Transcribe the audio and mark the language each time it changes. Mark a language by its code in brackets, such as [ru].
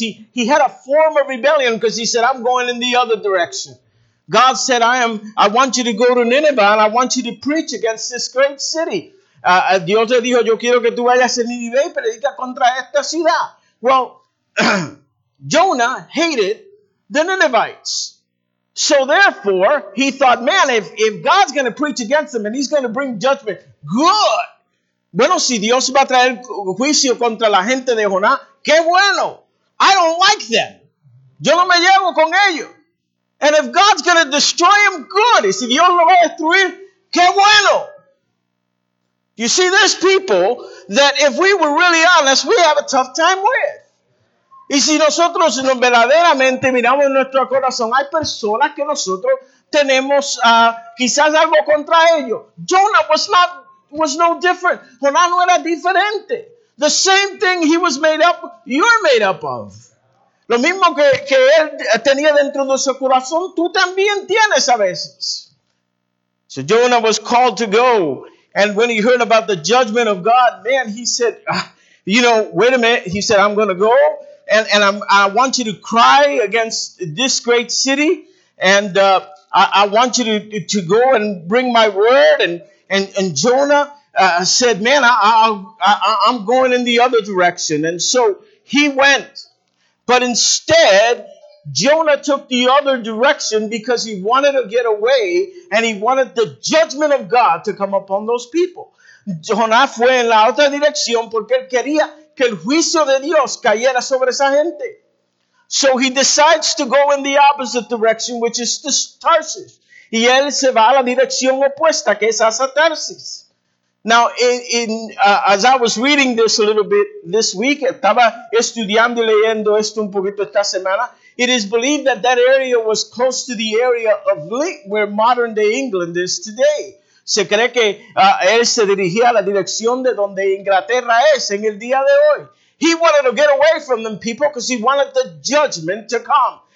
[en] He had a form of rebellion because he said, I'm going in the other direction. God said, I want you to go to Nineveh and I want you to preach against this great city. [es] Dios le dijo, yo quiero que tú vayas a Nínive y predicas contra esta ciudad. [en] Well, Jonah hated the Ninevites. So therefore, he thought, man, if God's going to preach against them and he's going to bring judgment, good. [es] Bueno, si Dios va a traer juicio contra la gente de Jonah, qué bueno. [en] I don't like them. [es] Yo no me llevo con ellos. [en] And if God's going to destroy them, good. [es] Y si Dios lo va a destruir, qué bueno. [en] You see, there's people that if we were really honest, we have a tough time with. [es] Y si nosotros verdaderamente miramos en nuestro corazón, hay personas que nosotros tenemos quizás algo contra ellos. [en] Jonah was no different. [es] Jonah no era diferente. [en] The same thing he was made up, you're made up of. [es] Lo mismo que él tenía dentro de su corazón, tú también tienes a veces. [en] So Jonah was called to go. And when he heard about the judgment of God, man, he said, you know, wait a minute. He said, I'm going to go. And I want you to cry against this great city. And I want you to go and bring my word. And Jonah said, man, I'm going in the other direction. And so he went. But instead, Jonah took the other direction because he wanted to get away. And he wanted the judgment of God to come upon those people. [es] Jonah fue en la otra dirección porque él quería que el juicio de Dios cayera sobre esa gente. [en] So he decides to go in the opposite direction, which is to Tarsus. [es] Y él se va a la dirección opuesta, que es hacia Tarsus. [en] Now, as I was reading this a little bit this week, [es] estaba estudiando y leyendo esto un poquito esta semana, [en] it is believed that that area was close to the area of Lee, where modern-day England is today. [es] Se cree que él se dirigía a la dirección de donde Inglaterra es en el día de hoy. [en] He wanted to get away from them people because he wanted the judgment to come.